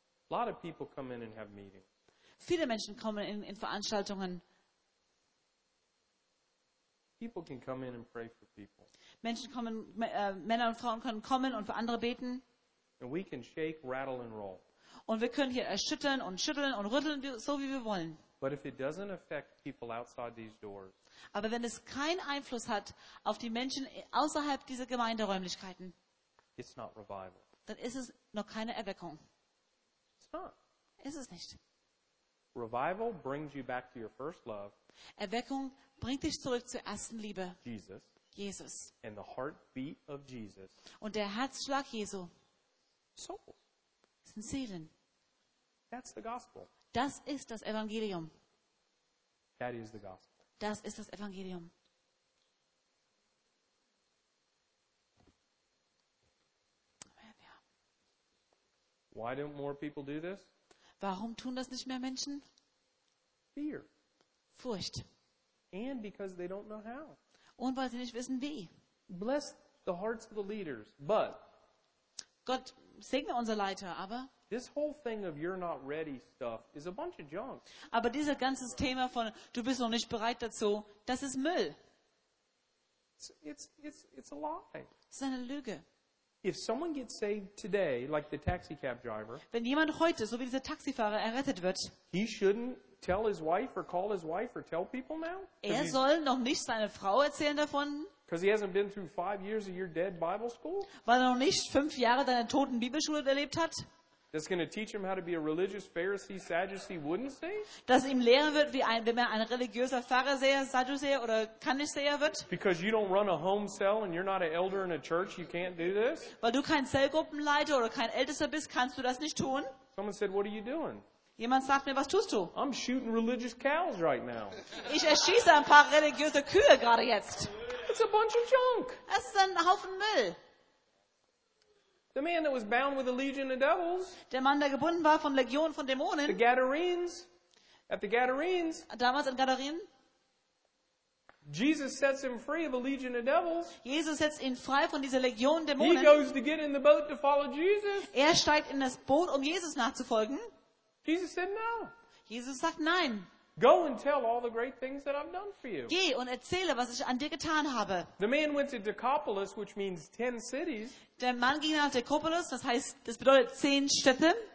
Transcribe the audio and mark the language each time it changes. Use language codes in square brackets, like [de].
[en] A lot of people come in and have meetings. [de] Viele Menschen kommen in Veranstaltungen. [en] People can come in and pray for people. [de] Menschen kommen, Männer und Frauen können kommen und für andere beten. [en] And we can shake, rattle and roll. [de] Und wir können hier erschüttern und schütteln und rütteln, so wie wir wollen. [en] But if it doesn't affect people outside these doors. [de] Aber wenn es keinen Einfluss hat auf die Menschen außerhalb dieser Gemeinderäumlichkeiten, [en] it's not revival. [de] Dann ist es noch keine Erweckung. [en] It's not. [de] Ist es nicht. [en] Revival brings you back to your first love. [de] Erweckung bringt dich zurück zur ersten Liebe. [en] Jesus. [de] Jesus. [en] And the heartbeat of Jesus. [de] Und der Herzschlag Jesu. [en] Soul. [de] Das sind Seelen. [en] That's the gospel. [de] Das ist das Evangelium. [en] That is the gospel. [de] Das ist das Evangelium. [en] Why don't more people do this? [de] Warum tun das nicht mehr Menschen? [en] Fear. [de] Furcht. [en] And because they don't know how. [de] Und weil sie nicht wissen wie. [en] Bless the hearts of the leaders, but. [de] Gott segne unsere Leiter, aber. [en] This whole thing of you're not ready stuff is a bunch of junk. [de] Aber dieses ganze Thema von du bist noch nicht bereit dazu, das ist Müll. [en] It's a lie. [de] Es ist eine Lüge. [en] If someone gets saved today, like the taxi cab driver. [de] Wenn jemand heute, so wie dieser Taxifahrer, errettet wird. [en] He shouldn't. Tell his wife or call his wife or tell people now? [de] Er soll noch nicht seine Frau erzählen davon. [en] Because he hasn't been through 5 years of your dead Bible school. [de] Weil er noch nicht 5 Jahre deiner toten Bibelschule erlebt hat. [en] That's going to teach him how to be a religious Pharisee, Sadducee, wouldn't say? [de] Dass ihm lehren wird, wie ein, wenn er ein religiöser Pharisäer, Sadduceer oder Kanniseer wird. [en] Because you don't run a home cell and you're not an elder in a church, you can't do this. [de] Weil du kein Zellgruppenleiter oder kein Ältester bist, kannst du das nicht tun. [en] Someone said, what are you doing? [de] Jemand sagt mir, was tust du? [en] I'm shooting religious cows right now. [de] Ich erschieße ein paar religiöse Kühe gerade jetzt. [en] It's a bunch of junk. [de] Es ist ein Haufen Müll. [en] The man that was bound with a legion of devils. [de] Der Mann, der gebunden war von Legionen von Dämonen. [en] The Gadarenes. At the Gadarenes. [de] Damals in Gadaren. [en] Jesus sets him free of a legion of devils. [de] Jesus setzt ihn frei von dieser Legion Dämonen. [en] He goes to get in the boat to follow Jesus. [de] Er steigt in das Boot, um Jesus nachzufolgen. [en] Jesus said no. [de] Jesus sagt nein. [en] Go and tell all the great things that I've done for you. [de] Geh und erzähle, was ich an dir getan habe. [en] The man went to Decapolis, which means 10 cities. [de] Der Mann ging nach Decapolis, das heißt, das bedeutet 10 Städte.